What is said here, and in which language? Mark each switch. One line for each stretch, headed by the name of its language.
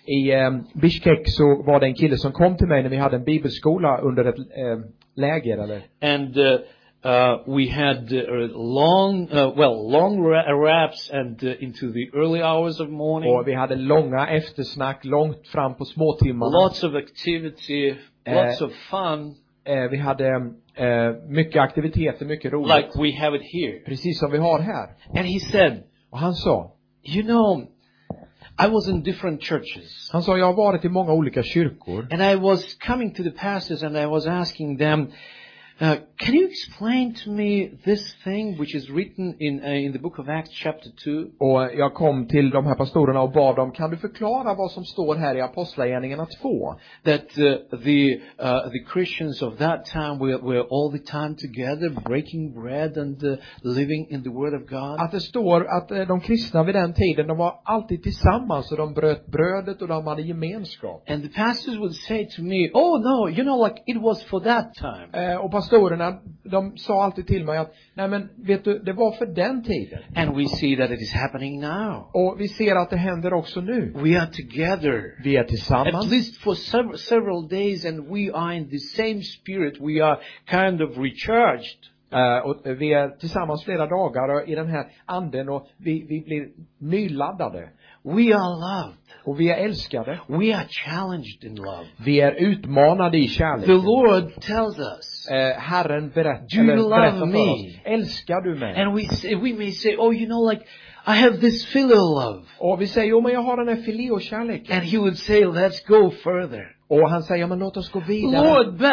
Swedish: I Bishkek så var det en kille som kom till mig när vi hade en bibelskola under ett läger eller.
English: And we had long long wraps and into the early hours of morning.
Swedish: Och vi hade långa eftersnack långt fram på små timmar.
English: Lots of activity, lots of fun.
Swedish: Vi hade mycket aktiviteter, mycket roligt.
English: Like we have it here.
Swedish: Precis som vi har här.
English: And he said,
Swedish: och han sa,
English: you know, I was in different churches.
Swedish: Han sa, jag har varit i många olika kyrkor.
English: And I was coming to the pastors and I was asking them, can you explain to me this thing which is written in the book of Acts chapter 2?
Swedish: Och jag kom till de här pastorerna och bad dem, kan du förklara vad som står här i Apostlagärningarna 2?
English: That the Christians of that time were all the time together breaking bread and living in the word of God.
Swedish: Att det står att de kristna vid den tiden, de var alltid tillsammans och de bröt brödet och de hade gemenskap.
English: And the pastors would say to me, oh no, you know, like it was for that time.
Swedish: Och pastorerna, de sa alltid till mig att, nej men vet du, det var för den tiden.
English: And we see that it is happening now.
Swedish: Och vi ser att det händer också nu.
English: We are together.
Swedish: Vi är tillsammans.
English: At least for several days and we are in the same spirit. We are kind of recharged.
Swedish: Och vi är tillsammans flera dagar i den här anden och vi blir nyladdade.
English: We are loved.
Swedish: Och vi är älskade.
English: We are challenged in love.
Swedish: Vi är utmanade i kärlek.
English: The Lord tells us.
Swedish: Herren berättar.
English: Do you love me?
Swedish: Älskar du mig?
English: And we may say, oh, you know, like I have this filial love.
Swedish: Och vi säger, oh, men jag har den här filial kärleken.
English: And he would say, let's go further.
Swedish: Och han säger, ja, men låt oss gå vidare.